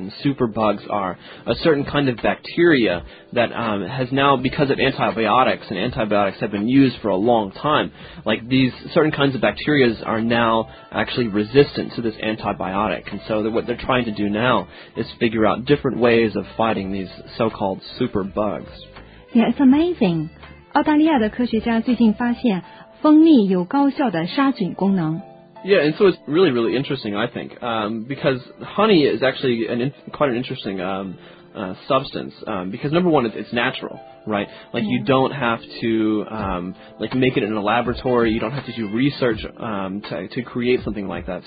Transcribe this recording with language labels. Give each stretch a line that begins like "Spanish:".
English: And superbugs are a certain kind of bacteria that has now, because of antibiotics, and antibiotics have been used for a long time, like these certain kinds of bacteria are now actually resistant to this antibiotic. And so what they're trying to do now is figure out different ways of fighting these so-called superbugs. Yeah, it's amazing.
Chinese: 澳大利亚的科学家最近发现蜂蜜有高效的杀菌功能。
English: Yeah, and so it's really, really interesting, I think, because honey is actually quite an interesting substance, because number one, it's natural, right? Like, you don't have to, make it in a laboratory, you don't have to do research to create something like that.